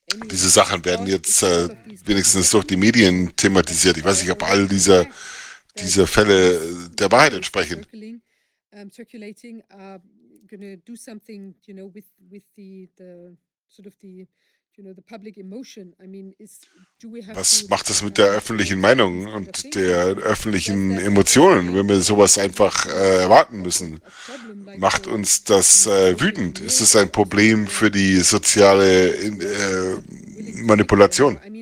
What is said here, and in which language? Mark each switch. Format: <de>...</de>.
<de>Diese Sachen werden jetzt wenigstens durch die Medien thematisiert. Ich weiß nicht, ob all diese Fälle der Wahrheit entsprechen.</de> <en>circulating are going to do something, you know, with the sort of the, you know, the public emotion. I mean, is, do we have</en> <de>was to, macht das mit der öffentlichen Meinung und der öffentlichen Emotionen, wenn wir sowas einfach erwarten müssen? Macht uns das wütend? Ist es ein Problem für die soziale Manipulation?</de>